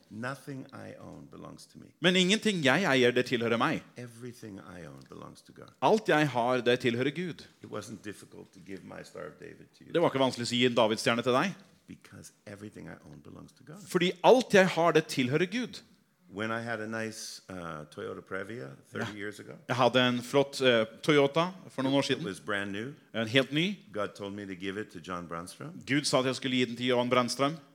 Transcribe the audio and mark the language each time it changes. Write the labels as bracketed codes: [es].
[en] Nothing I own belongs to me. [sv] Men ingenting jag äger det tillhör mig. [en] Everything I own belongs to God. [sv] Allt jag har det tillhör Gud. [en] It wasn't difficult to give my Star of David to you. [sv] Det var inte vanskligt att ge en Davidsstjärna till dig. [en] Because everything I own belongs to God. [sv] Fordi allt jag har det tillhör Gud. [en] When I had a nice Toyota Previa 30 yeah. years ago. [sv] Jag hade en flott Toyota för några år sedan. [en] It was brand new. [sv] En helt ny. [en] God told me to give it to John Brandström. [sv] Gud sa att jag skulle ge den till John Brandström.